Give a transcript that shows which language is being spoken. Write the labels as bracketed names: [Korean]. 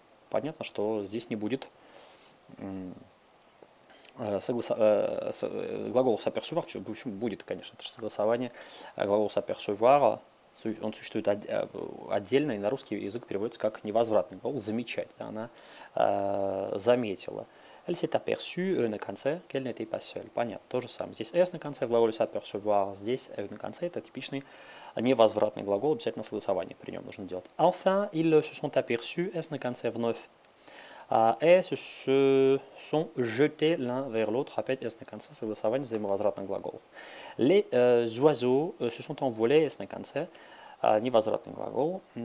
[Russian] понятно, что здесь не будет глагол s'apercevoir, в общем, будет, конечно, это же согласование. Глагол s'apercevoir, он существует отдельно, и на русский язык переводится как невозвратный глагол, замечать. Да, она заметила. [French] Elle s'est aperçue [Russian] на конце, [French] qu'elle n'était pas seule. [Russian] Понятно, то же самое. Здесь S на конце, в глаголе s'apercevoir, здесь E на конце, это типичный невозвратный глагол, обязательно согласование при нем нужно делать. [French] Enfin, ils se sont aperçus, [Russian] S на конце, вновь. [French] Et se sont jetés l'un vers l'autre, [Russian] опять S на конце, согласование взаимовозвратных глаголов. [French] Les oiseaux se sont envolés, [Russian] S на конце, невозвратный глагол.